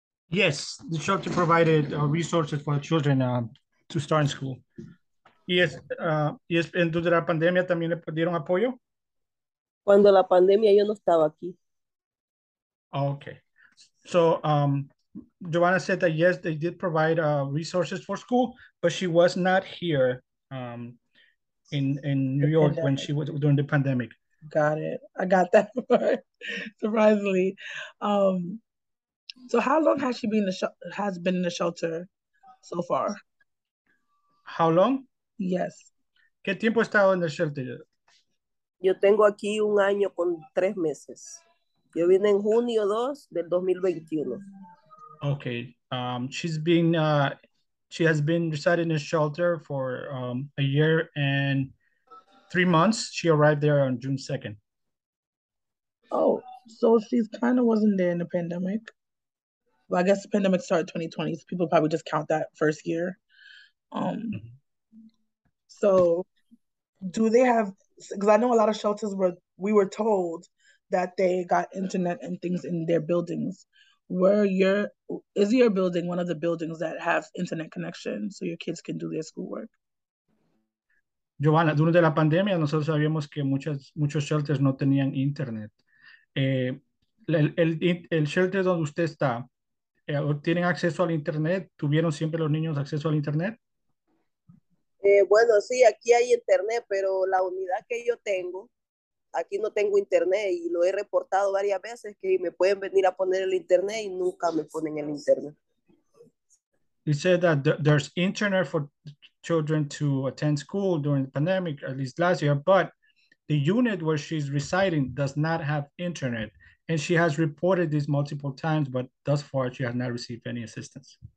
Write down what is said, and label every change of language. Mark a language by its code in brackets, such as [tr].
[en] Yes, the shelter provided resources for the children to start in school. Yes, [es] en durante la pandemia también le dieron apoyo? Cuando la pandemia yo no estaba aquí. [en] Okay. So Giovanna said that yes, they did provide resources for school, but she was not here in New York when she was during the pandemic. Got it. I got that part, surprisingly. So how long has she been in the shelter so far? How long? Yes. [es] ¿Qué tiempo ha estado en el shelter? Yo tengo aquí un año con tres meses. Yo vine en junio 2 del 2021. [en] Okay. She has been residing in a shelter for a year and 3 months. She arrived there on June 2nd. Oh, so she's kind of wasn't there in the pandemic. Well, I guess the pandemic started 2020, so people probably just count that first year. So do they have, because I know a lot of shelters we were told that they got internet and things in their buildings. Is your building one of the buildings that have internet connection so your kids can do their schoolwork? [es] Giovanna, durante la pandemia, nosotros sabíamos que muchos shelters no tenían internet. El shelter donde usted está, ¿tienen acceso al internet? ¿Tuvieron siempre los niños acceso al internet? Bueno, sí, aquí hay internet, pero la unidad que yo tengo, aquí no tengo internet y lo he reportado varias veces que me pueden venir a poner el internet y nunca me ponen el internet. [en] You said that there's internet for children to attend school during the pandemic, at least last year, but the unit where she's residing does not have internet. And she has reported this multiple times, but thus far she has not received any assistance.